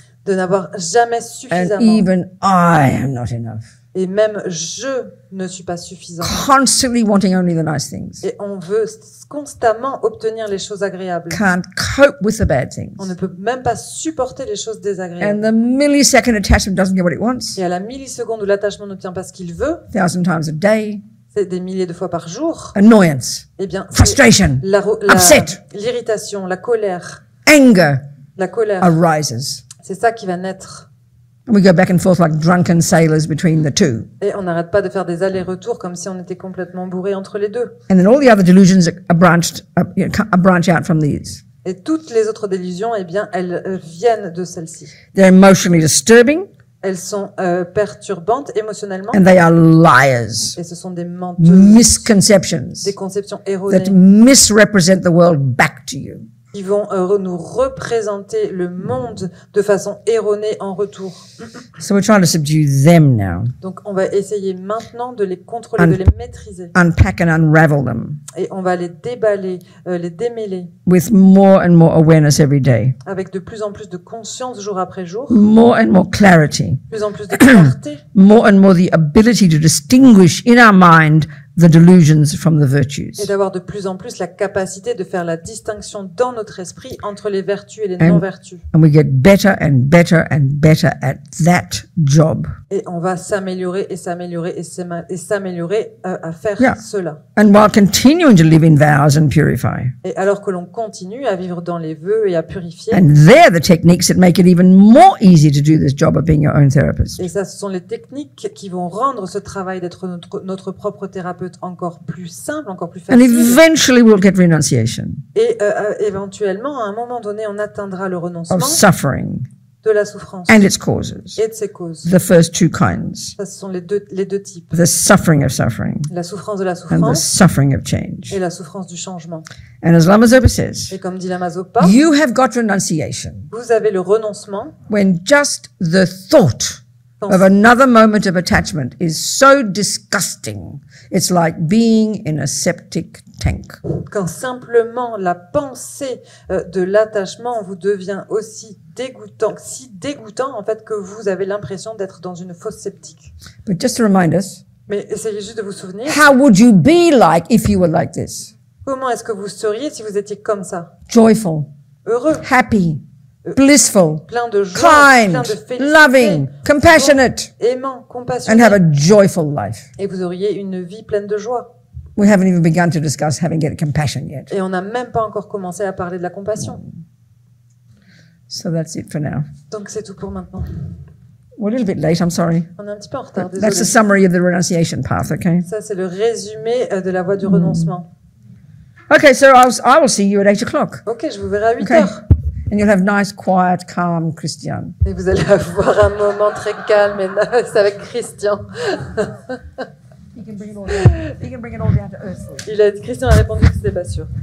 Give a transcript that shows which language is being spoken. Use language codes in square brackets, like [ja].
[fr] De n'avoir jamais suffisamment. [en] And even I am not enough. [fr] Et même je ne suis pas suffisant. [en] Constantly wanting only the nice things. [fr] Et on veut constamment obtenir les choses agréables. [en] Can't cope with the bad things. [fr] On ne peut même pas supporter les choses désagréables. [en] And the millisecond attachment doesn't get what it wants. [fr] Et à la milliseconde où l'attachement n'obtient pas ce qu'il veut. [en] Thousand times a day. [fr] C'est des milliers de fois par jour. [en] Annoyance. [fr] Et bien. [en] Frustration. Upset. [fr] L'irritation, la colère. [en] Anger. [fr] La colère. [en] Arises. [fr] C'est ça qui va naître. [en] We go back and forth like drunken sailors between the two. [fr] Et on n'arrête pas de faire des allers-retours comme si on était complètement bourré entre les deux. [en] And then all the other delusions are branch out from these. [fr] Et toutes les autres délusions, eh bien, elles viennent de celles-ci. [en] They're emotionally disturbing. [fr] Elles sont perturbantes émotionnellement. [en] And they are liars. [fr] Et ce sont des menteuses. [en] Misconceptions. [fr] Des conceptions erronées. [en] That misrepresent the world back to you. [fr] Qui vont nous représenter le monde de façon erronée en retour. [en] So we're trying to subdue them now. [fr] Donc on va essayer maintenant de les contrôler, de les maîtriser. [en] Unpack and unravel them. [fr] Et on va les déballer, les démêler. [en] With more and more awareness every day. [fr] Avec de plus en plus de conscience jour après jour. [en] More and more clarity. [fr] Plus en plus de clarté. [en] More and more the ability to distinguish in our mind the delusions from the virtues. [fr] Et d'avoir de plus en plus la capacité de faire la distinction dans notre esprit entre les vertus et les non-vertus. [en] And we get better and better and better at that job. [fr] Et on va s'améliorer et s'améliorer et s'améliorer à faire yeah. cela. [en] And while continuing to live in vows and purify. [fr] Et alors que l'on continue à vivre dans les vœux et à purifier. [en] And they're the techniques that make it even more easy to do this job of being your own therapist. [fr] Et ça, ce sont les techniques qui vont rendre ce travail d'être notre propre thérapeute peut-être encore plus simple, encore plus facile. [en] And eventually we'll get renunciation. [fr] Et éventuellement, à un moment donné, on atteindra le renoncement [en] of suffering [fr] de la souffrance [en] and its causes. [fr] Et de ses causes. [en] The first two kinds. [fr] Ça, ce sont les deux types. [en] The suffering of suffering. [fr] La souffrance de la souffrance. [en] And the suffering of change. [fr] Et la souffrance du changement. [en] And as Lama Zopa says, [fr] et comme dit Lama Zopa, [en] you have got renunciation. [fr] Vous avez le renoncement. [en] When just the thought of another moment of attachment is so disgusting. It's like being in a septic tank. [fr] Quand simplement la pensée de l'attachement vous devient aussi dégoûtant, si dégoûtant en fait que vous avez l'impression d'être dans une fosse septique. [en] But just to remind us. [fr] Mais essayez juste de vous souvenir. [en] How would you be like if you were like this? [fr] Comment est-ce que vous seriez si vous étiez comme ça? [en] Joyful. [fr] Heureux. [en] Happy. Blissful, [fr] plein de joie, [en] kind, [fr] plein de félicité, [en] loving, compassionate, [fr] aimant, compassionné, [en] and have a joyful life. [fr] Et vous auriez une vie pleine de joie. [en] We haven't even begun to discuss having compassion yet. [fr] Et on n'a même pas encore commencé à parler de la compassion. [en] So that's it for now. [fr] Donc c'est tout pour maintenant. [en] We're a little bit late, I'm sorry. [fr] On est un petit peu en retard, désolé. [en] That's a summary of the renunciation path, okay? [fr] Ça, c'est le résumé de la voie du renoncement. [en] Okay, so I will see you at 8 o'clock. [fr] Okay, je vous verrai à 8 okay. heures. [en] And you'll have nice, quiet, calm Christian. [fr] Et vous allez avoir un moment très calme et nice avec Christian. [en] He can bring it all down to earth. [fr] Christian a répondu que c'était pas sûr.